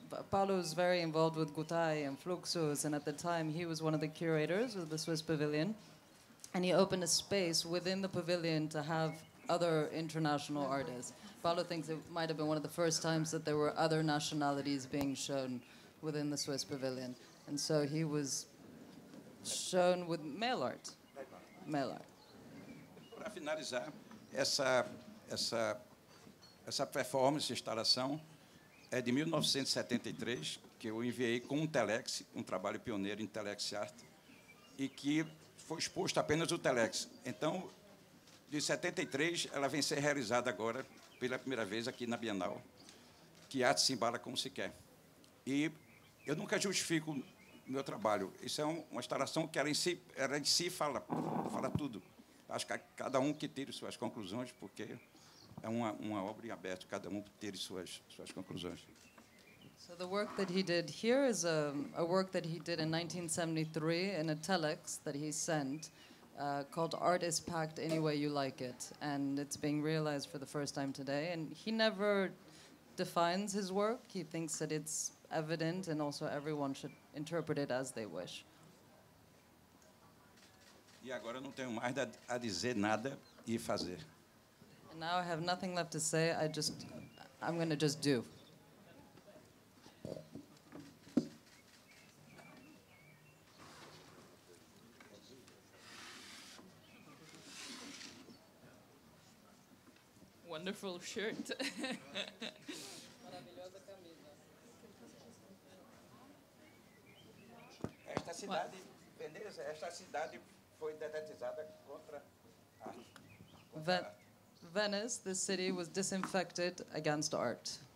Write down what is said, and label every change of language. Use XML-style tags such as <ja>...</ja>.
<en>Paulo is very involved with Gutai and Fluxus, and at the time he was one of the curators of the Swiss Pavilion, and he opened a space within the pavilion to have other international artists. Paulo thinks it might have been one of the first times that there were other nationalities being shown within the Swiss Pavilion. And so he was shown with male art. Male art.</en> <pt>Para finalizar essa performance, instalação, é de 1973, que eu enviei com um telex, um trabalho pioneiro em telex art, e que foi exposto apenas o telex. Então, de 73, ela vem ser realizada agora pela primeira vez aqui na Bienal, que arte se embala como se quer. E eu nunca justifico meu trabalho. Isso é uma instalação que ela em si fala tudo. Acho que cada um que tire suas conclusões, porque é uma obra em aberto, cada um ter suas conclusões.</pt> <en>So the work that he did here is a work that he did in 1973 in a telex that he sent called Art is Packed Any Way You Like It, and it's being realized for the first time today, and he never defines his work. He thinks that it's evident and also everyone should interpret it as they wish.</en> <pt>E agora não tenho mais a dizer nada e fazer.</pt> <en>And now I have nothing left to say. I'm going to just do. Wonderful shirt.</en> <pt>Esta cidade, Veneza, esta cidade foi detetizada contra</pt> <en>a Venice, the city, was disinfected against art.</en>